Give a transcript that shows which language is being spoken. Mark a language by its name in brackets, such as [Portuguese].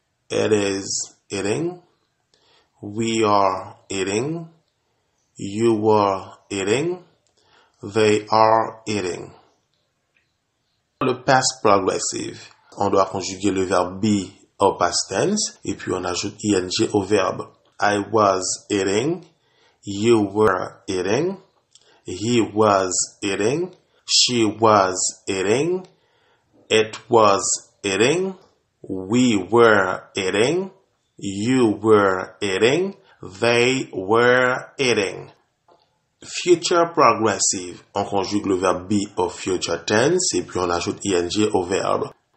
[English] It is eating. We are eating. You are eating. They are eating. [French] Le past progressive. On doit conjuguer le verbe be au past tense et puis on ajoute ing au verbe. [English] I was eating, you were eating, he was eating, she was eating, it was eating, we were eating, you were eating, they were eating. Future progressive. [French] On conjugue le verbe be au future tense et puis on ajoute ing au verbe.